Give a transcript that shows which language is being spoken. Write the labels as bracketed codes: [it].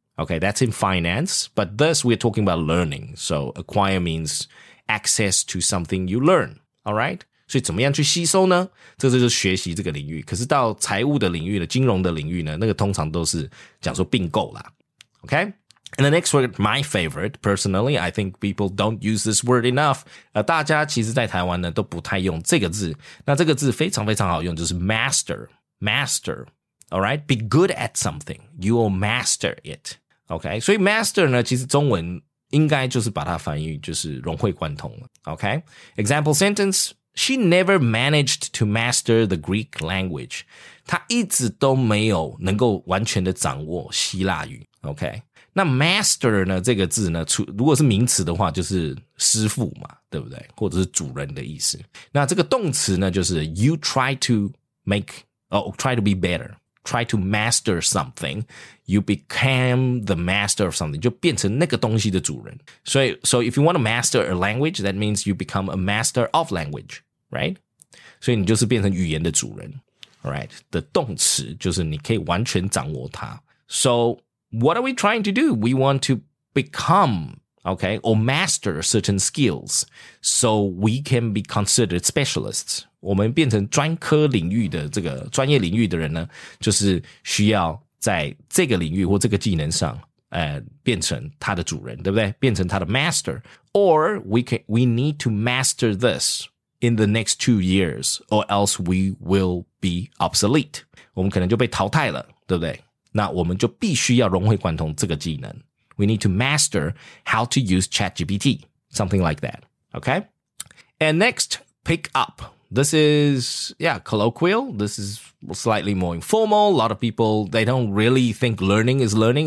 [en] Okay, that's in finance, but this we're talking about learning. So acquire means access to something you learn. [zh] All right? 所以怎么样去吸收呢？这就是学习这个领域。可是到财务的领域呢，金融的领域呢，那个通常都是讲说并购啦。Okay? [en] And the next word, my favorite, personally, I think people don't use this word enough. [zh] 大家其实在台湾呢都不太用这个字。那这个字非常非常好用，就是 master, master, all right? [en] Be good at something, you will master it, okay? [zh] 所以 master 呢其实中文应该就是把它翻译就是融会贯通了 okay? [en] Example sentence, she never managed to master the Greek language. [zh] 她一直都没有能够完全的掌握希腊语 okay? 那 master 呢这个字呢如果是名词的话就是师父嘛对不对或者是主人的意思。那这个动词呢就是 [en] you try to make, or try to be better, try to master something, you become the master of something, [zh] 就变成那个东西的主人。 [en] So if you want to master a language, that means you become a master of language, right? [zh] 所以你就是变成语言的主人 right? 的动词就是你可以完全掌握它。 [en] So,What are we trying to do? We want to become, okay, or master certain skills so we can be considered specialists. [zh] 我们变成专科领域的这个专业领域的人呢就是需要在这个领域或这个技能上变成他的主人对不对变成他的 master. [en] Or we need to master this in the next 2 years or else we will be obsolete. [zh] 我们可能就被淘汰了对不对那我们就必须要融会贯通这个技能。 [en] We need to master how to use ChatGPT. Something like that. Okay? And next, pick up. This is, yeah, colloquial. This is slightly more informal. A lot of people, they don't really think learning is learning.